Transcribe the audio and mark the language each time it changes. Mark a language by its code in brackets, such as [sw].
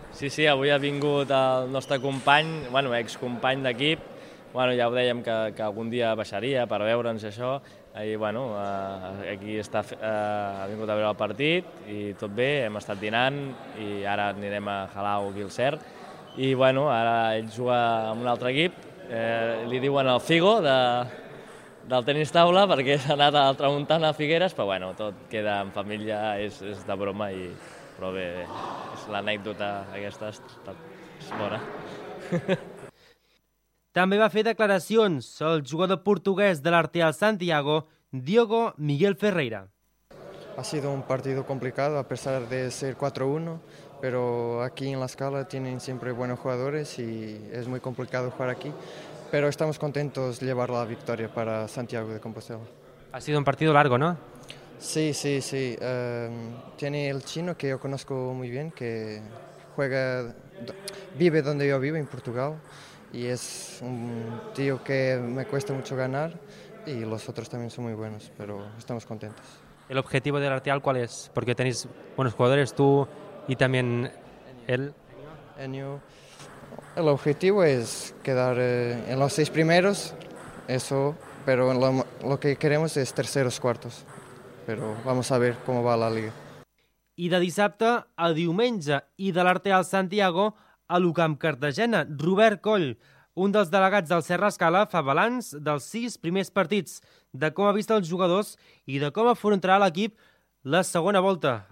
[ca] Sí, sí, avui ha vingut el nostre company, bueno, excompany d'equip, bueno, ja ho dèiem que algun dia baixaria per veure'ns això, i bueno, aquí està, ha vingut a veure el partit i tot bé, hem estat dinant i ara anirem a Halau Gilcert i bueno, ara ell juga amb un altre equip, li diuen el Figo del tenis taula perquè s'ha anat a l'altra muntana a Figueres, però bueno, tot queda en família, és de broma i... Però bé, és l'anècdota aquesta, és bona. També va fer declaracions el jugador portuguès de l'Arteal Santiago, Diogo Miguel Ferreira. [es] Ha sido un partido complicado a pesar de ser 4-1, pero aquí en la escala tienen siempre buenos jugadores y es muy complicado jugar aquí, pero estamos contentos de llevar la victoria para Santiago de Compostela. Ha sido un partido largo, ¿no? Sí, sí, sí. Tiene el chino que yo conozco muy bien, que juega, vive donde yo vivo, en Portugal, y es un tío que me cuesta mucho ganar, y los otros también son muy buenos, pero estamos contentos. ¿El objetivo del Arteal cuál es? Porque tenéis buenos jugadores, tú y también él. El objetivo es quedar en los seis primeros, eso, pero lo que queremos es terceros, cuartos. Però vamos a ver cómo va la liga. [ca] I de dissabte a diumenge i de l'Arteal Santiago a l'UCAMP Cartagena, Robert Coll, un dels delegats del Serra Escala, fa balanç dels sis primers partits, de com ha vist els jugadors i de com afrontarà l'equip la segona volta.